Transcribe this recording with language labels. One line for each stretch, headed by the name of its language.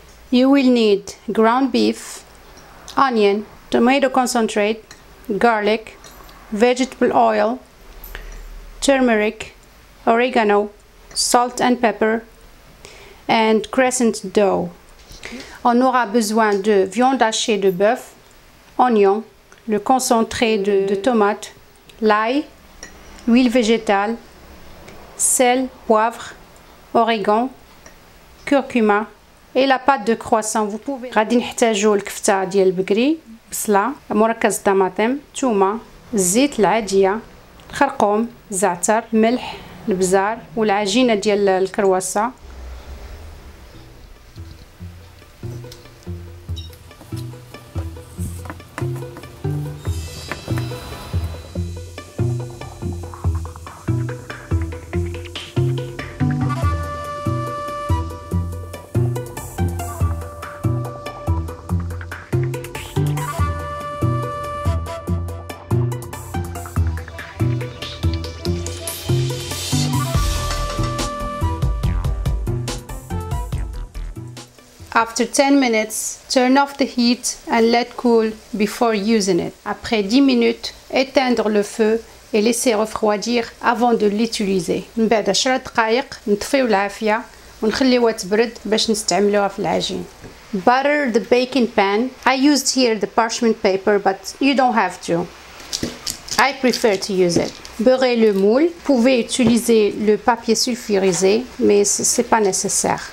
English: You will need ground beef, onion, tomato concentrate, garlic, vegetable oil, turmeric, oregano, salt and pepper, and crescent dough.
French: On aura besoin de viande hachée de bœuf, oignon, le concentré de tomate, l'ail, huile végétale, sel, poivre, oregano, curcuma et la pâte de croissant. Vous pouvez
Arabic: غادي نحتاجو الكفتة ديال البقري, بصلة, مركز طماطم, ثومة, زيت العادية, خرقوم, زعتر, ملح, البزار والعجينة ديال الكرواسة.
English: After 10 minutes, turn off the heat and let cool before using it.
French: Après 10 minutes, éteindre le feu et laisser refroidir avant de l'utiliser.
Arabic: بعد 10 دقائق نطفيو العافية ونخليوها تبرد باش نستعملوها في العجين.
English: Butter the baking pan. I used here the parchment paper, but you don't have to. I prefer to use it.
French: Beurrez le moule. Vous pouvez utiliser le papier sulfurisé, mais c'est pas nécessaire.